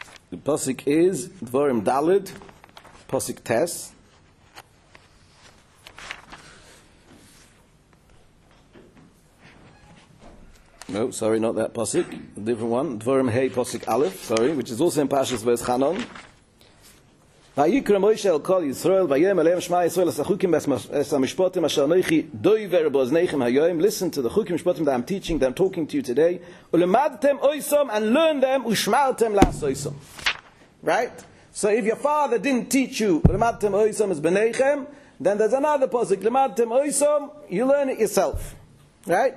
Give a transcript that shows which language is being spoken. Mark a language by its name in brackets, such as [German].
[English] The pasuk is Dvarim Dalid, pasuk Tes. No, sorry, not that pasuk. A different one. Dvarim Hey, pasuk Aleph, sorry, which is also in Parshas Veschanon. [Hebrew] ויקרא מוישה אל כל ישראל ויאמר אליהם שמע ישראל את החוקים ואת המשפטים אשר אנוכי דיבר באוזניכם היום. [English] Listen to the chukim mishpatim that I'm teaching, that I'm talking to you today. [Hebrew] Ulemadtem oisom [English] and learn them [Hebrew] ushmaltem lasoisom. [English] Right? So if your father didn't teach you [Hebrew] ulemadtem oisom as beneichem, [English] then there's another pasuk, [Hebrew] ulemadtem oisom, [English] you learn it yourself. Right?